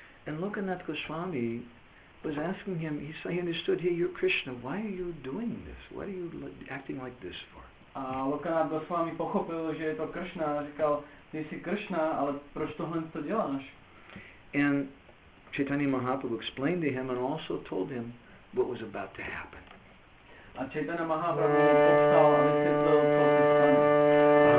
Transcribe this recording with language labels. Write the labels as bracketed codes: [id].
[en] And Lokanath Goswami was asking him, he understood, hey, you're Krishna, why are you doing this? What are you acting like this for? [cs] A Lokanath Goswami pochopil, že je to Krishna, a říkal, ty jsi Krishna, ale proč tohle to děláš? [en] And Chaitanya Mahaprabhu explained to him and also told him what was about to happen. [cs] A Chaitanya Mahaprabhu povstal a vysvětlil, co se stane.